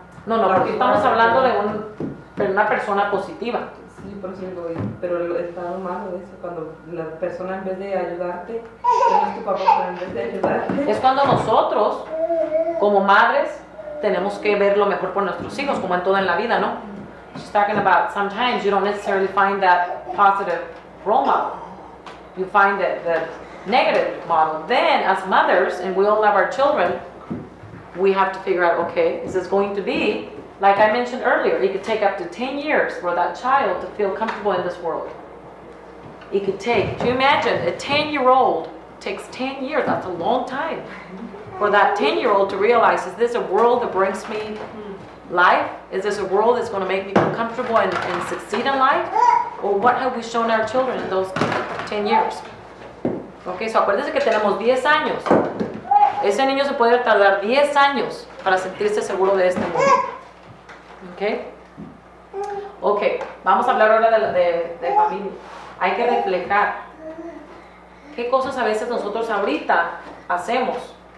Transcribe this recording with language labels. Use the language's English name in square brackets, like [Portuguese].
[Spanish] No, no, porque estamos hablando de un... pero una persona positiva. Sí, por cierto, pero está malo eso, cuando la persona en vez de ayudarte, es tu papá, pero en vez de ayudarte. Es cuando nosotros, como madres, tenemos que ver lo mejor por nuestros hijos, como en todo en la vida, ¿no? [English] She's talking about sometimes you don't necessarily find that positive role model. You find the negative model. Then, as mothers, and we all love our children, we have to figure out, okay, is this going to be, like I mentioned earlier, it could take up to 10 years for that child to feel comfortable in this world. It could take, do you imagine, a 10-year-old takes 10 years, that's a long time, for that 10-year-old to realize, is this a world that brings me life? Is this a world that's going to make me feel comfortable and succeed in life? Or what have we shown our children in those 10 years? [Spanish] Okay, so acuérdense que tenemos 10 años. Ese niño se puede tardar 10 años para sentirse seguro de este mundo. Okay? Okay, vamos a hablar ahora de familia. Hay que reflejar. ¿Qué cosas a veces nosotros ahorita hacemos?